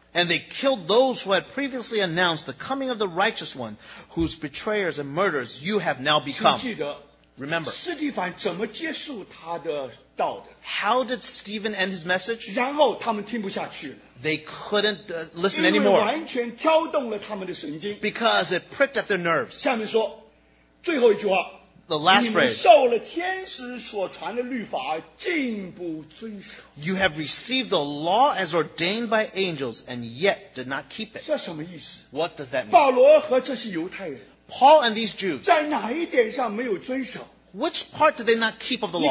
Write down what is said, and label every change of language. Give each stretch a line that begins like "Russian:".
English: And they killed those who had previously announced the coming of the righteous one, whose betrayers and murderers you have now become.
Chinese: 请记得,
English: remember,
Chinese: 斯蒂凡怎么结束他的道的?
English: How did Stephen end his message?
Chinese: 然后他们听不下去了。
English: They couldn't listen anymore because it pricked at their nerves.
Chinese: 下面说, 最后一句话,
English: the last phrase,
Chinese: 你们受了天使所传的律法, 竟不遵守。
English: You have received the law as ordained by angels and yet did not keep it.
Chinese: 这什么意思?
English: What does that mean?
Chinese: 保罗和这些犹太人,
English: Paul and these Jews,
Chinese: 在哪一点上没有遵守?
English: Which part did they not keep of the law?